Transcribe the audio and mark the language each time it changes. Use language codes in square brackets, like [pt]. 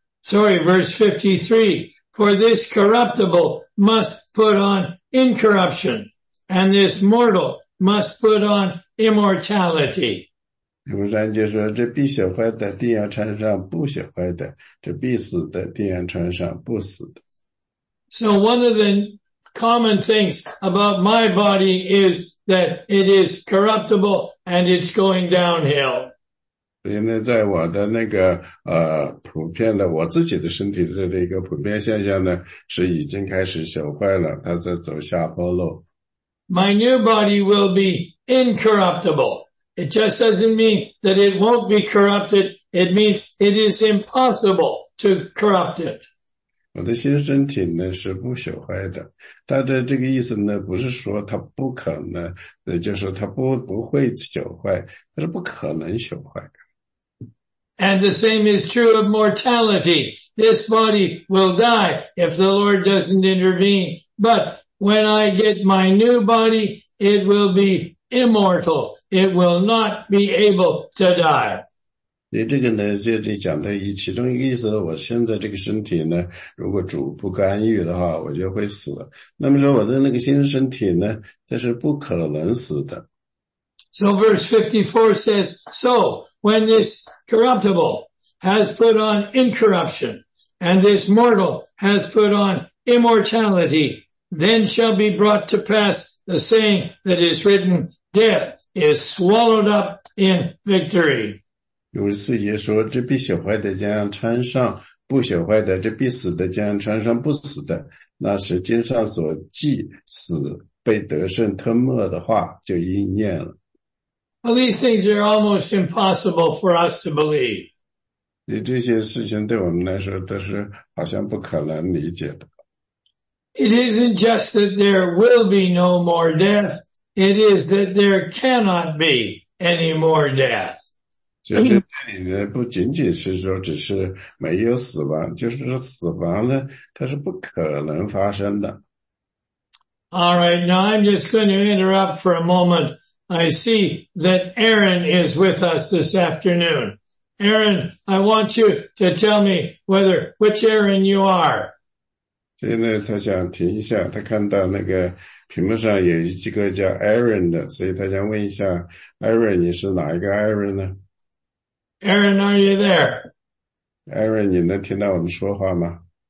[en] Verse 53, for this corruptible must put on incorruption, and this mortal must put on immortality. [zh] 第五章就说，这必朽坏的定要穿上不朽坏的，这必死的定要穿上不死的。 [en] So one of the common things about my body is that it is corruptible and it's going downhill. [zh] 因为在我的那个普遍的我自己的身体的这个普遍现象呢，是已经开始朽坏了，它在走下坡路。 [en] My new body will be incorruptible. It just doesn't mean that it won't be corrupted. It means it is impossible to corrupt it. [zh] 我的新身体呢是不朽坏的，但是这个意思呢不是说它不可能，就是它不会朽坏，它是不可能朽坏的。 [en] And the same is true of mortality. This body will die if the Lord doesn't intervene. But when I get my new body, it will be immortal. It will not be able to die. [zh] 你这个呢，就是讲的其中一个意思。我现在这个身体呢，如果主不干预的话，我就会死。那么说我的那个新身体呢，它是不可能死的。 [en] So verse 54 says, so when this corruptible has put on incorruption and this mortal has put on immortality, then shall be brought to pass the saying that is written, death is swallowed up in victory. [zh] 有四节说，这必朽坏的将穿上不朽坏的，这必死的将穿上不死的，那是经上所记死被得胜吞没的话就应验了。 [en] Well, these things are almost impossible for us to believe. [zh] 这些事情对我们来说都是好像不可能理解的。 [en] It isn't just that there will be no more death, it is that there cannot be any more death. [zh] 就是这里呢不仅仅是说只是没有死亡，就是说死亡呢它是不可能发生的。 [en] All right, now I'm just going to interrupt for a moment. I see that Aaron is with us this afternoon. Aaron, I want you to tell me whether, which Aaron you are. [zh] 现在他想停一下，他看到那个屏幕上有一个叫 Aaron 的，所以他想问一下 Aaron, 你是哪一个 Aaron 呢？ [en] Aaron, are you there? [zh] Aaron, 你能听到我们说话吗？